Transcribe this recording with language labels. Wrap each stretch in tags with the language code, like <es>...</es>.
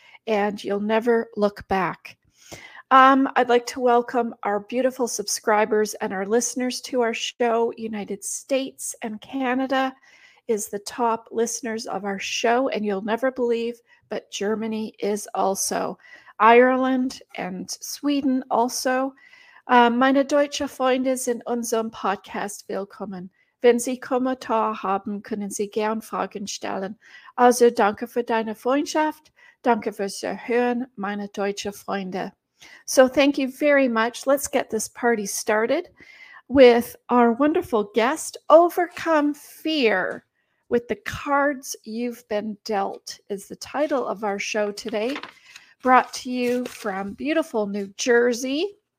<en>And you'll never look back. I'd like to welcome our beautiful subscribers and our listeners to our show. United States and Canada is the top listeners of our show. And you'll never believe, but Germany is also. Ireland and Sweden also.</en> <de>Meine deutsche Freunde sind unserem Podcast willkommen. Wenn Sie Kommentare haben, können Sie gern Fragen stellen. Also danke für deine Freundschaft. Danke fürs Zuhören, meine deutsche Freunde.</de> <en>So thank you very much. Let's get this party started with our wonderful guest. Overcome Fear with the Cards You've Been Dealt is the title of our show today, brought to you from beautiful New Jersey.</en>